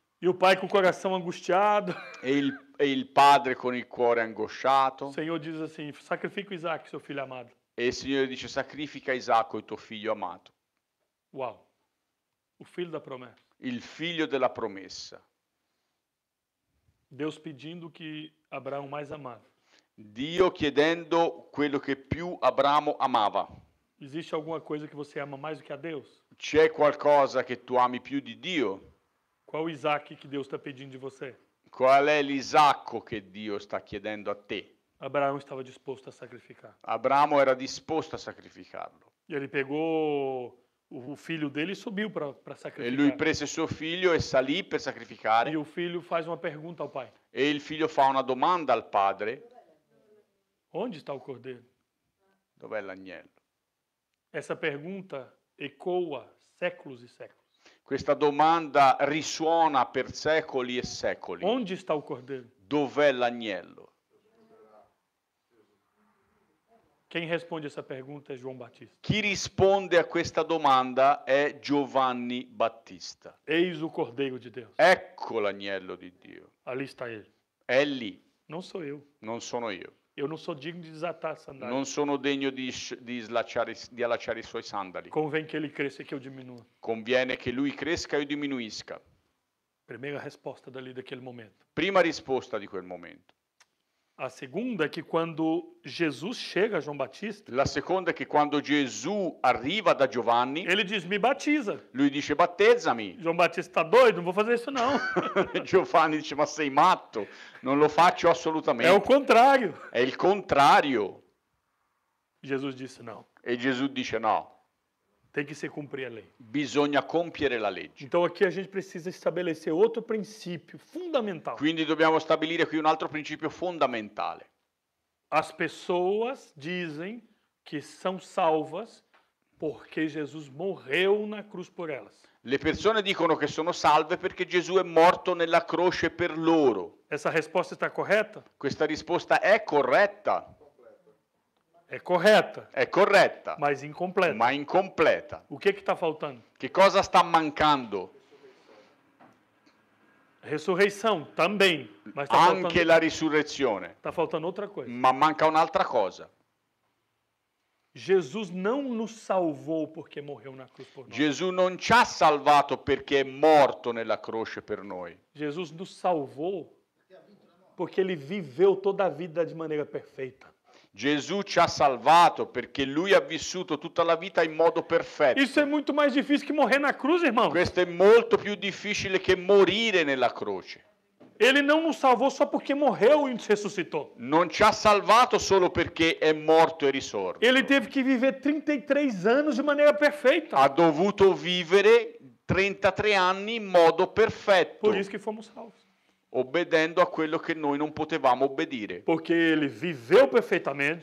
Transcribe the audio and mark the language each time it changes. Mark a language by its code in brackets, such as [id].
[pt] E o pai com o coração angustiado. [it] E il padre con il cuore angosciato. [pt] O Senhor diz assim, sacrifica Isaac, seu filho amado. [it] E il Signore dice, sacrifica Isacco, il tuo figlio amato. [pt] Uau. O filho da promessa. [it] Il figlio della promessa. [pt] Deus pedindo que Abraão mais amava. [it] Dio chiedendo quello che più Abramo amava. [pt] Existe alguma coisa que você ama mais do que a Deus? [it] C'è qualcosa che tu ami più di Dio? [pt] Qual o Isaac que Deus está pedindo de você? [it] Qual è l'Isacco che Dio sta chiedendo a te? [pt] Abraão estava disposto a sacrificar. [it] Abramo era disposto a sacrificarlo. [pt] E ele pegou O filho dele subiu para sacrificar. [it] E lui prese suo figlio e salì per sacrificare. [pt] E o filho faz uma pergunta ao pai. [it] E il figlio fa una domanda al padre. [pt] Onde está o cordeiro? [it] Dov'è l'agnello? [pt] Essa pergunta ecoa séculos e séculos. [it] Questa domanda risuona per secoli e secoli. [pt] Onde está o cordeiro? [it] Dov'è l'agnello? [pt] Quem responde essa pergunta é João Batista. [it] Chi risponde a questa domanda è Giovanni Battista. [pt] Eis o Cordeiro de Deus. [it] Ecco l'agnello di Dio. [pt] Ali está ele. [it] È lì. Non sono io. Non sono io. [pt] Eu não sou digno de desatar sandália. [it] Non sono degno di allacciare i suoi sandali. [pt] Convém que ele cresça e que eu diminua. [it] Conviene che lui cresca e io diminuisca. [pt] Primeira resposta dali daquele momento. [it] Prima risposta di quel momento. [pt] A segunda é que quando Jesus chega a João Batista. [it] La seconda è che quando Gesù arriva da Giovanni. [pt] Ele diz: me batiza. [it] Lui dice: battezzami. [pt] João Batista está doido, não vou fazer isso não. [it] Giovanni dice: ma sei matto, non lo faccio assolutamente. [pt] É o contrário. [it] È il contrario. [pt] Jesus disse: não. [it] E Gesù dice: no. [pt] Tem que se cumprir a lei. [it] Bisogna compiere la legge. [pt] Então aqui a gente precisa estabelecer outro princípio fundamental. [it] Quindi dobbiamo stabilire qui un altro principio fondamentale. [pt] As pessoas dizem que são salvas porque Jesus morreu na cruz por elas. [it] Le persone dicono che sono salve perché Gesù è morto nella croce per loro. [pt] Essa resposta está correta? [it] Questa risposta è corretta. [pt] É correta. [it] É correta. [pt] Mas incompleta. [it] Ma incompleta. [pt] O que que está faltando? [it] Que cosa sta mancando? [pt] Ressurreição também. Mas tá [it] anche [pt] faltando... [it] la risurrezione. [pt] Está faltando outra coisa. [it] Ma manca un'altra cosa. [pt] Jesus não nos salvou porque morreu na cruz por nós. [it] Jesus non ci ha salvato perché è morto nella croce per noi. [pt] Jesus nos salvou porque ele viveu toda a vida de maneira perfeita. [it] Gesù ci ha salvato perché lui ha vissuto tutta la vita in modo perfetto. Isso è molto più difficile che [pt] morrer na cruz, irmão. [it] Questo è molto più difficile che morire nella croce. [pt] Ele não nos salvou só porque morreu e ressuscitou. [it] Non ci ha salvato solo perché è morto e risorto. [pt] Ele teve que viver 33 anos de maneira perfeita. [it] Ha dovuto vivere 33 anni in modo perfetto. [pt] Por isso que fomos salvos. [it] Obbedendo a quello che noi non potevamo obbedire. [pt] Perché ele viveu perfeitamente.